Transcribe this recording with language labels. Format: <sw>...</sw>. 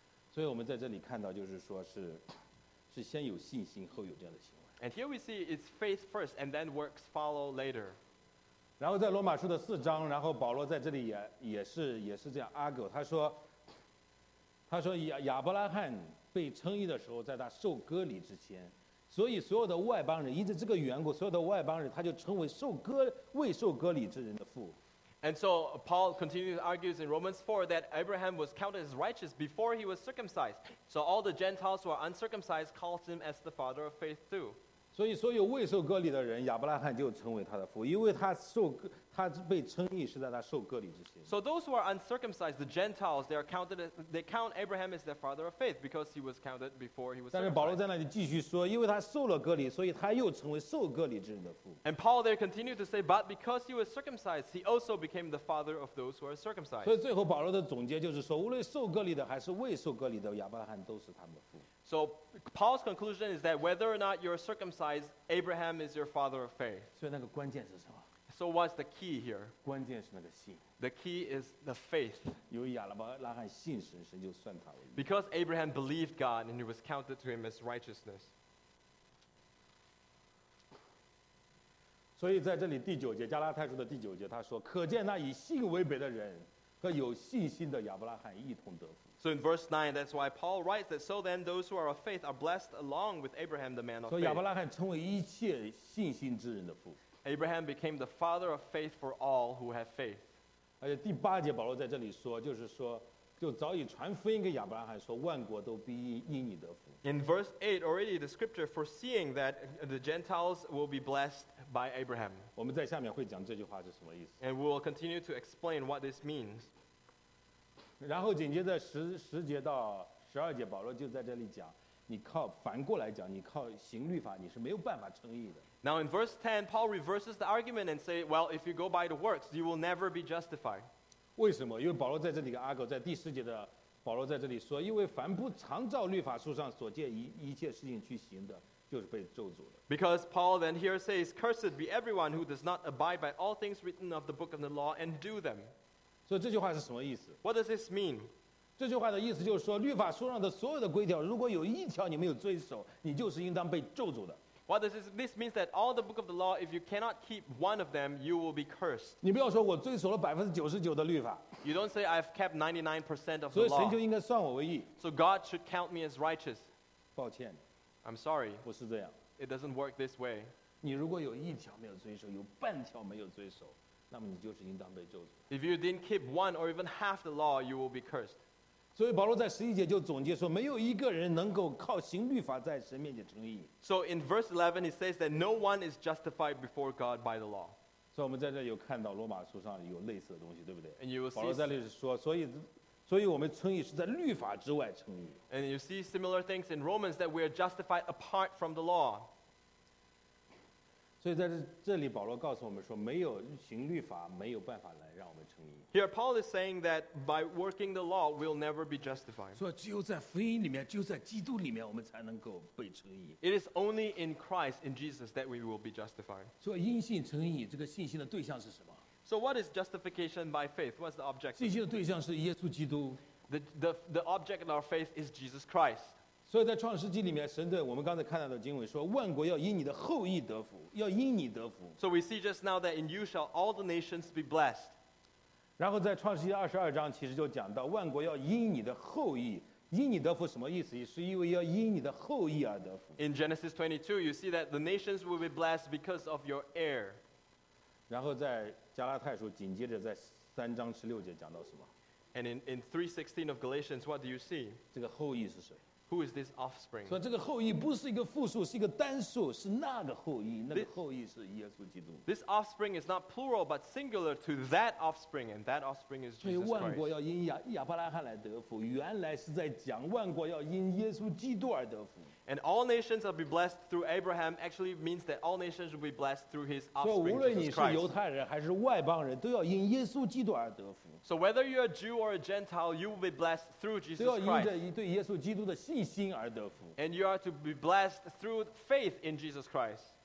<zh>所以我们在这里看到，就是说是先有信心，后有这样的行为。</zh> <en>And here we see it's faith first, and then works follow later.</en> <zh>然后在罗马书的四章，然后保罗在这里也是这样 argue。他说亚伯拉罕被称义的时候，在他受割礼之前。所以所有的外邦人，因着这个缘故，所有的外邦人，他就称为未受割礼之人的父。</zh> <en>And so Paul continues argues in Romans 4 that Abraham was counted as righteous before he was circumcised. So all the Gentiles who are uncircumcised calls him as the father of faith too.</en> <zh>所以所有未受割礼的人，亚伯拉罕就称为他的父，因为他被称义是在他受割礼之前。</zh> <en>So those who are uncircumcised, the Gentiles, they count Abraham as their father of faith because he was counted before he was circumcised.</en> <zh>但是保罗在那里继续说，因为他受了割礼，所以他又成为受割礼之人的父。</zh> <en>And Paul there continued to say, but because he was circumcised, he also became the father of those who are circumcised.</en> <zh>所以最后保罗的总结就是说，无论受割礼的还是未受割礼的，亚伯拉罕都是他们的父。</zh> <en>So Paul's conclusion is that whether or not you're circumcised, Abraham is your father of faith.</en> <zh>所以那个关键是什么？</zh> <en>So what's the key here?</en> <zh>关键是那个信。</zh> <en>The key is the faith.</en> <zh>由于亚伯拉罕信神，神就算他为义。</zh> <en>Because Abraham believed God and it was counted to him as righteousness.</en> <zh>所以在这里第九节，加拉太书的第九节，他说：“可见那以信为本的人和有信心的亚伯拉罕一同得福。”</zh> <en>So in verse 9, that's why Paul writes that so then those who are of faith are blessed along with Abraham, the man of faith.</en> <zh>所以亚伯拉罕成为一切信心之人的父。</zh> <en>Abraham became the father of faith for all who have faith.</en> <zh>而且第八节保罗在这里说，就是说，就早已传福音给亚伯拉罕，说万国都必因你得福。</zh> <en>In verse 8, already the scripture foreseeing that the Gentiles will be blessed by Abraham.</en> <zh>我们在下面会讲这句话是什么意思。</zh> <en>And we will continue to explain what this means.</en> <zh>然后紧接着十节到十二节，保罗就在这里讲，你靠反过来讲，你靠行律法，你是没有办法称义的。</zh> <en>Now in verse 10, Paul reverses the argument and says, well, if you go by the works, you will never be justified.</en> <zh>为什么？因为保罗在这里跟阿狗在第十节的保罗在这里说，因为凡不常照律法书上所借一切事情去行的，就是被咒诅的。</zh> <en>Because Paul then here says, cursed be everyone who does not abide by all things written of the book of the law and do them.</en> <zh>所以这句话是什么意思？</zh> <en>What does this mean?</en> <zh>这句话的意思就是说，律法书上的所有的规条，如果有一条你没有遵守，你就是应当被咒诅的。</zh> <en>What does this means that all the book of the law, if you cannot keep one of them, you will be cursed.</en> <zh>你不要说我遵守了99%的律法。</zh> <en>You don't say I've kept 99% of the law.</en> <zh>所以神就应该算我为义。</zh> <en>So God should count me as righteous.</en> <zh>抱歉。</zh> <en>I'm sorry.</en> <zh>不是这样。</zh> <en>It doesn't work this way.</en> <zh>你如果有一条没有遵守，有半条没有遵守，那么你就是应当被咒诅。</zh> <en>If you didn't keep one or even half the law, you will be cursed.</en> <zh>所以保罗在十一节就总结说，没有一个人能够靠行律法在神面前称义。</zh> <en>So in verse 11, he says that no one is justified before God by the law.</en> <zh>所以我们在这有看到罗马书上有类似的东西，对不对？</zh> <en>And you will see,</en> <zh>保罗在这里说，所以我们称义是在律法之外称义。</zh> <en>And you see similar things in Romans that we are justified apart from the law.</en> <zh>所以在这里保罗告诉我们说，没有行律法，没有办法来让我们称义。</zh> <en>Here Paul is saying that by working the law, we'll never be justified.</en> <zh>所以只有在福音里面，只有在基督里面，我们才能够被称义。</zh> <en>It is only in Christ, in Jesus, that we will be justified.</en> <zh>所以因信称义，这个信心的对象是什么？</zh> <en>So what is justification by faith? What's the object?</en> <zh>信心的对象是耶稣基督。</zh> <en>The object of our faith is Jesus Christ.</en> <zh>所以在创世纪里面神对我们刚才看到的经文说万国要因你的后裔得福要因你得福</zh> <en>So we see just now that in you shall all the nations be blessed</en> <zh>然后在创世纪二十二章其实就讲到万国要因你的后裔因你得福什么意思是因为要因你的后裔而得福</zh> <en>In Genesis 22 you see that the nations will be blessed because of your heir</en> <zh>然后在加拉太书紧接着在三章十六节讲到什么</zh> <en>And in 3:16 of Galatians what do you see</en> <zh>这个后裔是谁</zh> <en>Who is this offspring?</en> <zh>所以这个后裔不是一个复数，是一个单数，是那个后裔。那个后裔是耶稣基督。</zh> <en>This offspring is not plural, but singular to that offspring, and that offspring is Jesus Christ.</en> <zh>所以万国要因亚伯拉罕来得福，原来是在讲万国要因耶稣基督而得福。</zh> <en>And all nations will be blessed through Abraham. Actually, means that all nations will be blessed through his offspring, Jesus Christ.</en> <zh>所以无论你是犹太人还是外邦人，都要因耶稣基督而得福。</zh> <en>So whether you're a Jew or a Gentile, you will be blessed through Jesus Christ.</en> <zh>都要因着对耶稣基督的信心而得福。</zh> <en>And you are to be blessed through faith in Jesus Christ.</en>